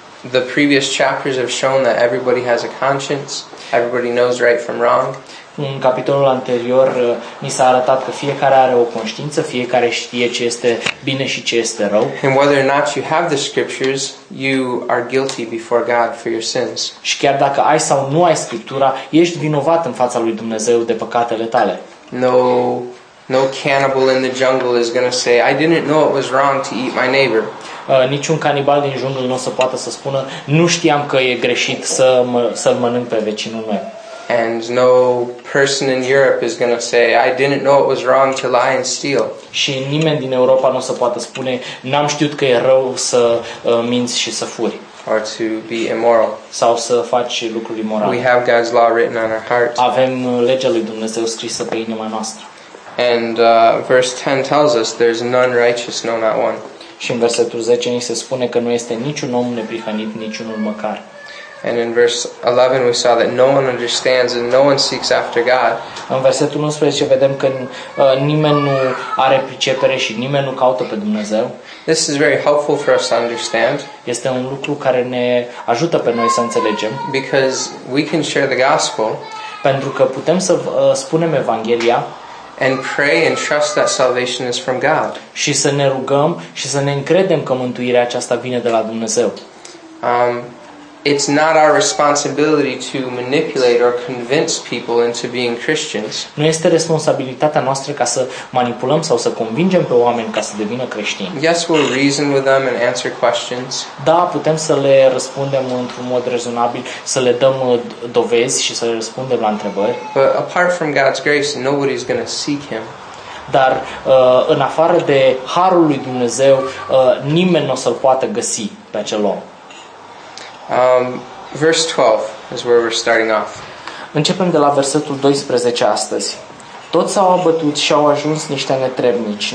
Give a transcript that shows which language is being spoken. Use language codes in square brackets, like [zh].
[en] The previous chapters have shown that everybody has a conscience. Everybody knows right from wrong. [ro] În capitolul anterior mi s-a arătat că fiecare are o conștiință, fiecare știe ce este bine și ce este rău. [en] And whether or not you have the scriptures, you are guilty before God for your sins. [ro] Și chiar dacă ai sau nu ai scriptura, ești vinovat în fața lui Dumnezeu de păcatele tale. [en] No cannibal in the jungle is going to say, I didn't know it was wrong to eat my neighbor. [ro] Niciun canibal din junglă nu o să poată să spună, nu știam că e greșit să-l mănânc pe vecinul meu. [en] And no person in Europe is going to say, I didn't know it was wrong to lie and steal. [ro] Și nimeni din Europa nu o să poată spune, n-am știut că e rău să minți și să furi. [en] Or to be immoral. [ro] Sau să faci lucruri imorale. [en] We have God's law written on our heart. [ro] Avem legea lui Dumnezeu scrisă pe inima noastră. [en] And verse 10 tells us there's none righteous, no, not one. [ro] Și în versetul 10 ni se spune că nu este niciun om neprihănit, niciunul măcar. [en] And in verse 11 we saw that no one understands and no one seeks after God. [ro] În versetul 11 vedem că nimeni nu are pricepere și nimeni nu caută pe Dumnezeu. [en] This is very helpful for us to understand. [ro] Este un lucru care ne ajută pe noi să înțelegem. [en] Because we can share the gospel. [ro] Pentru că putem să spunem Evanghelia. [en] And pray and trust that salvation is from God. [ro] Și să ne rugăm și să ne încredem că mântuirea aceasta vine de la Dumnezeu. [en] It's not our responsibility to manipulate or convince people into being Christians. [ro] Nu este responsabilitatea noastră ca să manipulăm sau să convingem pe oameni ca să devină creștini. [en] Yes, we'll reason with them and answer questions. [ro] Da, putem să le răspundem într-un mod rezonabil, să le dăm dovezi și să le răspundem la întrebări. [en] But apart from God's grace, nobody's going to seek him. [ro] Dar în afară de harul lui Dumnezeu, nimeni nu o să-l poată găsi pe acel om. [en] Verse 12 is where we're starting off. [ro] Începem de la versetul 12 astăzi. Toți s-au abătut și au ajuns niște netrebnici.